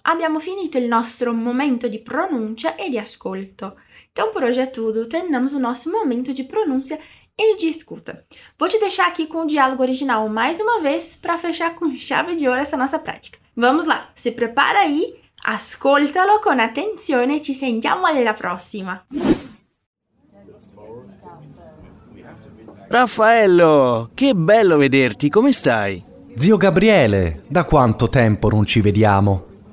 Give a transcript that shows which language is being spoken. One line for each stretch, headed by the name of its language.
Italian: Abbiamo finito il nostro momento di pronuncia e di ascolto. Então, per oggi è tutto.
Portuguese: Terminamos o nosso momento
Italian: di pronuncia e di
Portuguese: escuta. Vou te deixar aqui com o diálogo original mais uma vez para fechar com chave de ouro essa nossa prática. Vamos lá! Se prepara aí,
Italian: ascoltalo con attenzione e ci sentiamo alla prossima! Raffaello, che bello vederti, come stai? Zio Gabriele, da quanto tempo non ci vediamo?